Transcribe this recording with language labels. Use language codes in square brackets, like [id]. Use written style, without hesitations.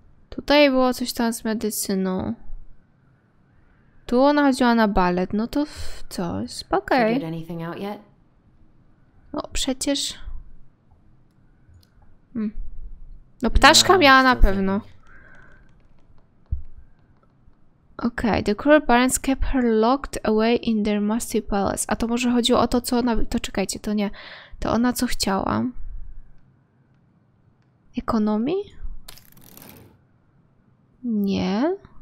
[pl] Tutaj było coś tam z medycyną. Tu ona chodziła na balet. No to co? Spokojnie. [en] Did anything out yet? [pl] No przecież. No ptaszka miała na pewno. [en] Okej, okay, the cruel parents kept her locked away in their musty palace. [pl] A to może chodziło o to, co ona... To czekajcie, to nie. To ona co chciała? Ekonomii? Nie.